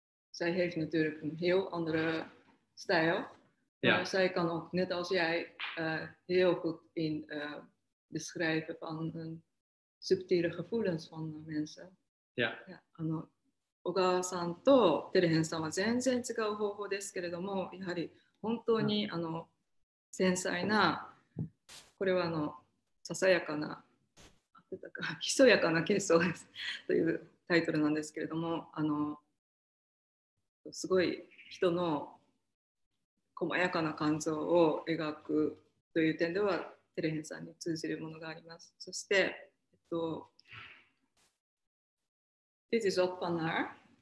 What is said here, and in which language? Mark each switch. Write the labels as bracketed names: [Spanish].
[Dutch] Zij heeft natuurlijk een heel andere stijl. Maar ja. Zij kan ook, net als jij, heel goed in beschrijven van een subtiele gevoelens van mensen. Ja. [Japanese] Ja, あの小川さんとテレヘンさんは全然違う方法ですけれども、やはり本当に、うん、あの繊細な、これはあのささやかな、あってたか、ひそやかな結晶ですというタイトルなんですけれども、あのすごい人の細やかな感情を描くという点ではテレヘンさんに通じるものがあります。そして、 [English] This is [Dutch] ook van haar.